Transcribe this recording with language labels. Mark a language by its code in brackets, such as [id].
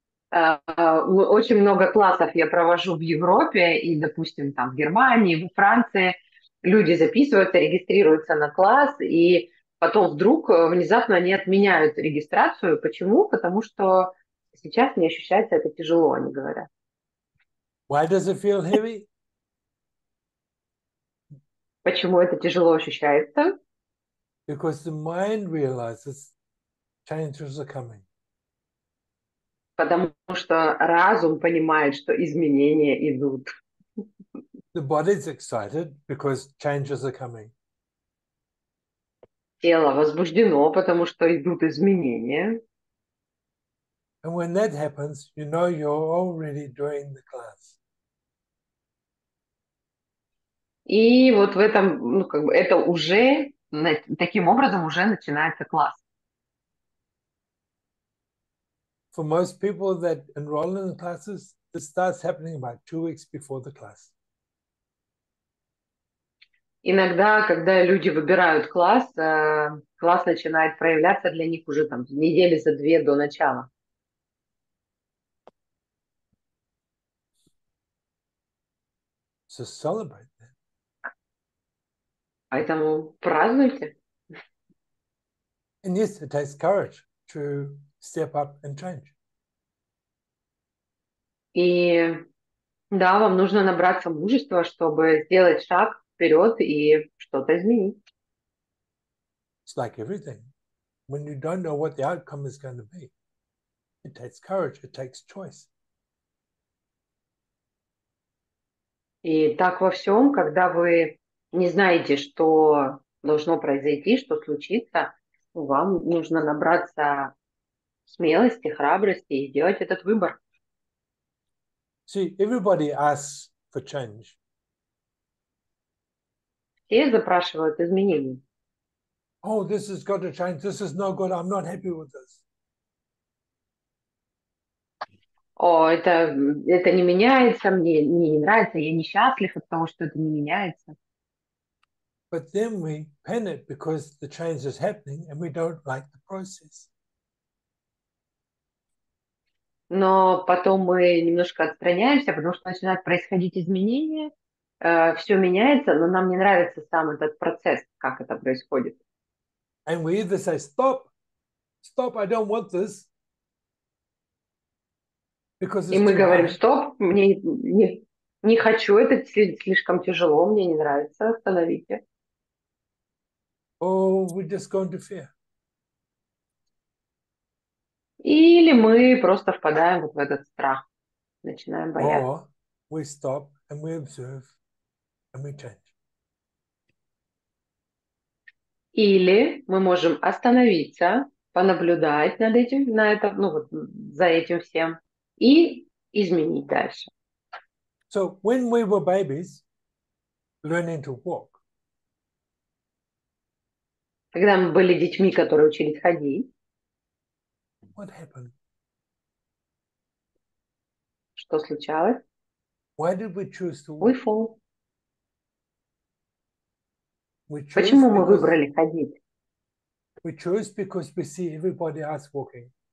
[ru] Очень много классов я провожу в Европе и, допустим, там в Германии, в Франции. Люди записываются, регистрируются на класс, и потом вдруг внезапно они отменяют регистрацию. Почему? Потому что сейчас не ощущается это тяжело, они говорят. [en] Why does it feel heavy? [ru] Почему это тяжело ощущается? [en] Because the mind realizes changes are coming. [ru] Потому что разум понимает, что изменения идут. [en] The body's excited because changes are coming. [ru] Тело возбуждено, потому что идут изменения. [en] And when that happens, you know you're already doing the class. [ru] И вот в этом, ну, как бы это уже таким образом уже начинается класс. [en] For most people that enroll in the classes, this starts happening about 2 weeks before the class. [ru] Иногда, когда люди выбирают класс, класс начинает проявляться для них уже там недели за две до начала. [en] So celebrate that. [ru] Поэтому празднуйте. [en] And yes, it takes courage to step up and change. [ru] И да, вам нужно набраться мужества, чтобы сделать шаг вперед и что-то изменить. [en] It's like everything. When you don't know what the outcome is going to be, it takes courage, it takes choice. [ru] И так во всем, когда вы не знаете, что должно произойти, что случится, вам нужно набраться смелости, храбрости и сделать этот выбор. [en] See, everybody asks for change. [ru] Все запрашивают изменений. [en] Oh, this has got to change. This is no good. I'm not happy with this. [ru] О, это не меняется, мне не нравится, я несчастлив от того, что это не меняется. [en] But then we panic because the change is happening and we don't like the process. [ru] Но потом мы немножко отстраняемся, потому что начинают происходить изменения, все меняется, но нам не нравится сам этот процесс, как это происходит. [en] And we either say, stop, stop, I don't want this. [ru] И мы говорим, стоп, мне не хочу, это слишком тяжело, мне не нравится, остановите. [en] Or we're just going to fear. [ru] Или мы просто впадаем вот в этот страх, начинаем бояться. [en] Or we stop and we observe and we change. [ru] Или мы можем остановиться, понаблюдать над этим, на это, ну вот за этим всем. И изменить дальше. [en] So when we were babies, learning to walk. [ru] Когда мы были детьми, которые учились ходить. [en] What happened? [ru] Что случалось? [en] Why did we choose to walk? We fall. We chose [ru] Почему мы выбрали ходить? [en] We chose because we see everybody else walking.